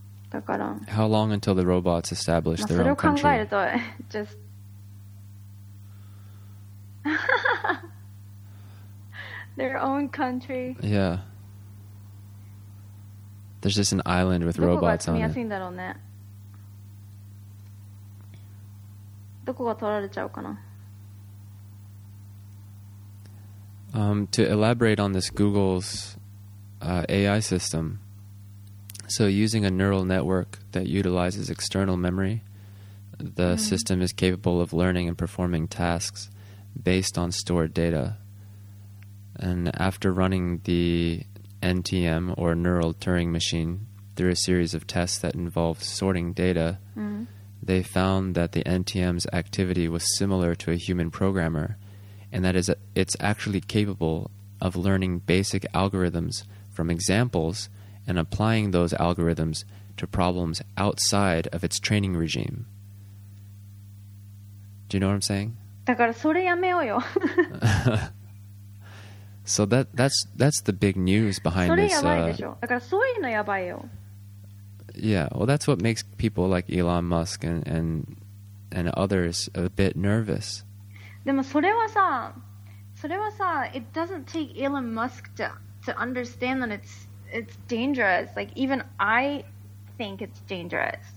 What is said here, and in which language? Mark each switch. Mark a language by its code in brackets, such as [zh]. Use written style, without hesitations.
[ja] だから。 [en] How long until the robots establish their own country? [ja] それを考えると、 [en] just their own country. Yeah. There's just an island with robots on it. [ja] どこが住みやすいんだろうね。どこが取られちゃうかな。 [en] To elaborate on this, Google's AI system. So using a neural network that utilizes external memory, the mm-hmm. system is capable of learning and performing tasks based on stored data. And after running the NTM or neural Turing machine through a series of tests that involved sorting data, mm-hmm. they found that the NTM's activity was similar to a human programmer and that it's actually capable of learning basic algorithms from examples and applying those algorithms to problems outside of its training regime. Do you know what I'm saying? [ja] だからそれやめようよ。 [en] So that's the big news behind this. [ja] それやばいでしょ。だからそういうのやばいよ。 [en] Yeah, well that's what makes people like Elon Musk and others a bit nervous. [ja] でもそれはさ [en] it doesn't take Elon Musk to understand that it's dangerous. Like, even I think it's dangerous.